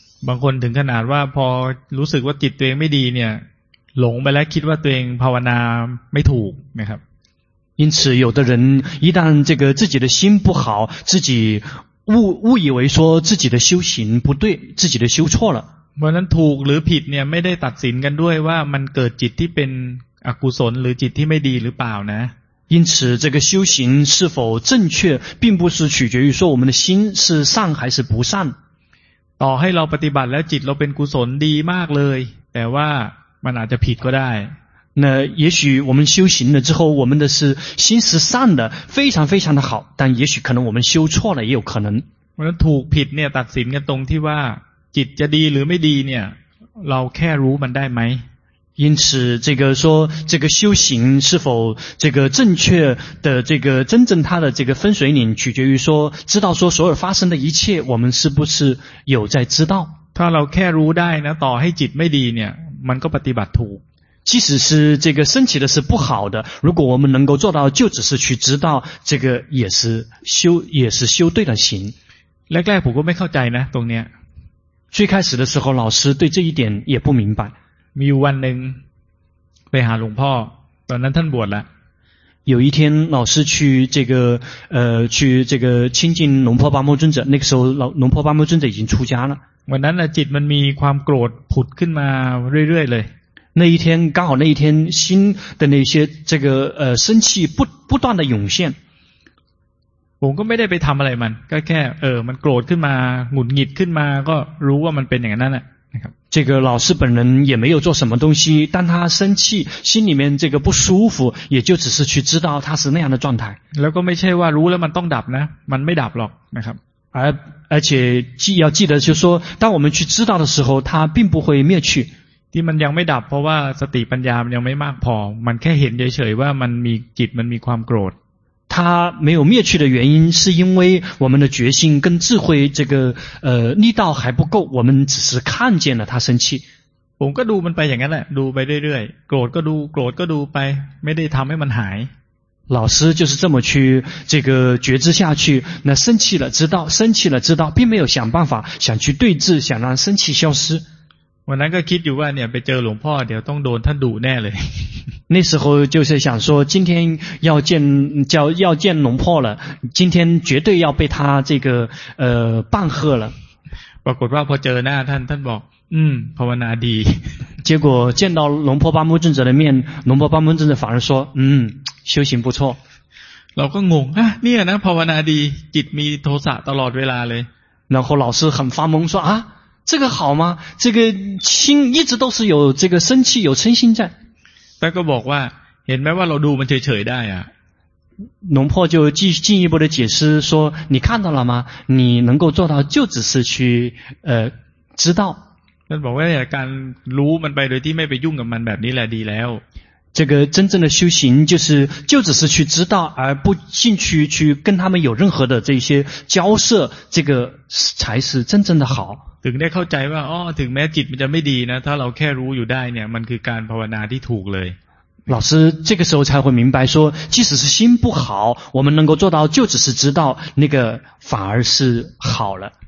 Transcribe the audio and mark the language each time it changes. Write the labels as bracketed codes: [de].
[th] บางคนถึงขนาดว่าพอรู้สึกว่าจิตตัวเองไม่ดีเนี่ยหลงไปแล้วคิดว่าตัวเองภาวนาไม่ถูกนะครับ [zh] 因此有的人一旦这个自己的心不好自己误以为说自己的修行不对自己的修错了 [th] เพราะนั้นถูกหรือผิดเนี่ยไม่ได้ตัดสินกันด้วยว่ามันเกิดจิตที่เป็นอกุศลหรือจิตที่ไม่ดีหรือเปล่านะ [zh] 因此这个修行是否正确并不是取决于说我们的心是善还是不善 [th] ต่อให้เราปฏิบัติแล้วจิตเราเป็นกุศลดีมากเลยแต่ว่ามันอาจจะผิดก็ได้ [zh] 那也许我们修行了之后我们的是心是善的非常非常的好但也许可能我们修错了也有可能 [th] เพราะนั้นถูกผิดเนี่ยตัดสินกันตรงที่ว่าจิตจะดีหรือไม่ดีเนี่ยเราแค่รู้มันได้ไหม [zh] 因此这个说这个修行是否这个正确的这个真正它的这个分水岭取决于说知道说所有发生的一切我们是不是有在知道 [th] ถ้าเราแค่รู้ได้นะต่อให้จิตไม่ดีเนี่ยมันก็ปฏิบัติถูก [zh] 即使是这个升起的是不好的如果我们能够做到就只是去知道这个也是修对的行 [th] แรกๆผมก็ไม่เข้าใจนะตรงเนี้ย [zh] 最开始的时候老师对这一点也不明白 [th] มีวันหนึ่งไปหาหลวงพ่อตอนนั้นท่านบวชแล้ว [zh] 有一天老师去这个去这个亲近龙婆巴木尊者那个时候龙婆巴木尊者已经出家了 [th] วันนั้นจิตมันมีความโกรธผุดขึ้นมาเรื่อยๆเลย [zh] 那一天刚好那一天心的那些这个生气不断的涌现 [th] ผมก็ไม่ได้ไปทำอะไรมันก็แค่มันโกรธขึ้นมาหงุดหงิดขึ้นมาก็รู้ว่ามันเป็นอย่างนั้นนะครับ [zh] 这个老师本人也没有做什么东西当他生气心里面这个不舒服也就只是去知道他是那样的状态 [th] แล้วก็ไม่ใช่ว่ารู้แล้วมันต้องดับนะมันไม่ดับหรอกนะครับ [zh] 而且要记得就是说当我们去知道的时候它并不会灭去 [th] ที่มันยังไม่ดับเพราะว่าสติปัญญามันยังไม่มากพอมันแค่เห็นเฉยๆว่ามันมีจิตมันมีความโกรธ [zh] 它没有灭去的原因是因为我们的决心跟智慧这个力道还不够我们只是看见了它生气 [th] ผมก็ดูมันไปอย่างนั้นแหละดูไปเรื่อยๆโกรธก็ดูโกรธก็ดูไปไม่ได้ทำให้มันหาย [zh] 老师就是这么去这个觉知下去那生气了知道生气了知道并没有想办法想去对治想让生气消失 [th] วันนั้นก็คิดอยู่ว่าเนี่ยไปเจอหลวงพ่อเดี๋ยวต้องโดนท่านดูแน่เลย [zh] 那时候就是想说今天要见龙破了今天绝对要被他这个棒喝了 [th] ปรากฏว่าพอเจอหน้าท่านบอกภาวนาดี [zh] 结果见到龙破巴木尊者的面龙破巴木尊者反而说修行不错 [th] เราก็งงเนี่ยนะภาวนาดีจิตมีโทสะตลอดเวลาเลย [zh] 然后老师很发懵说这个好吗这个心一直都是有这个生气有嗔心在 [th] แต่ก็บอกว่าเห็นไหมว่าเราดูมันเฉยๆได้อะ [zh] หลวงพ่อ就进一步的解释说你看到了吗你能够做到就只是去知道 [th] ท่านบอกว่าการรู้มันไปโดยที่ไม่ไปยุ่งกับมันแบบนี้แหละดีแล้ว [zh] 这个真正的修行就只是去知道而不进去跟他们有任何的这些交涉这个才是真正的好 [th] ถึงได้เข้าใจว่าอ๋อถึงแม้จิตมันจะไม่ดีนะถ้าเราแค่รู้อยู่ได้เนี่ยมันคือการภาวนาที่ถูกเลย [zh] 老师这个时候才会明白说即使是心不好我们能够做到就只是知道那个反而是好了